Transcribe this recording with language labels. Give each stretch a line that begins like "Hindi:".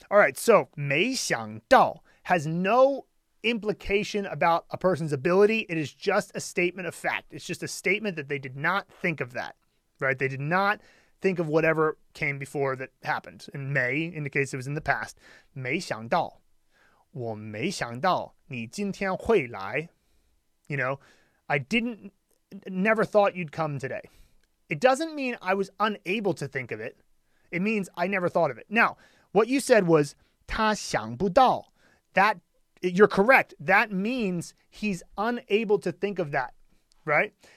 English: All right, so 没想到 has no implication about a person's ability. It is just a statement of fact. It's just a statement that they did not think of that, right? They did not think of whatever came before that happened. And Mei indicates it was in the past.
Chinese: 没想到, 我没想到你今天会来.
English: You know, never thought you'd come today. It doesn't mean I was unable to think of it. It means I never thought of it. Now, what you said was
Chinese: 他想不到.
English: That, you're correct. That means he's unable to think of that, right?